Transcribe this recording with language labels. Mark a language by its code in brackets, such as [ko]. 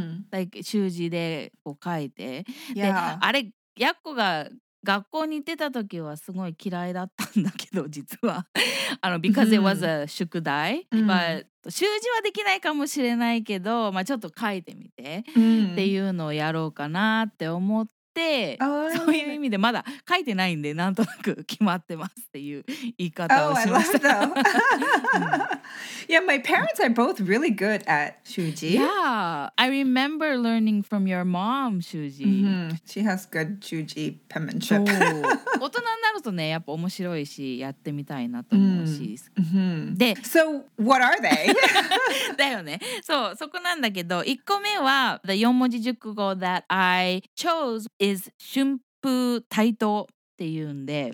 [ja] Like, 習字でこう書いて、であれやっこが学校に行ってた時はすごい嫌いだったんだけど、実は [en] because it was a [ja] 宿題、 [en] but [ja] 習字はできないかもしれないけど、まあちょっと書いてみてっていうのをやろうかなって思って、そういう意味でまだ書いてないんで、なんとなく決まってますっていう言い方をしました。 [en] Oh, I love that. Yeah, my parents are both really good at 習字。 Yeah, I remember learning from your mom 習字。 She has good 習字 penmanship. [ja] 大人になるとね、やっぱ面白いし、やってみたいなと思うし。 [en] で、So, what are they? [ja] だよね。そう、そこなんだけど、1個目は、 [en] the 四文字熟語 that I chose is [ja] 春風台頭。って言うんで、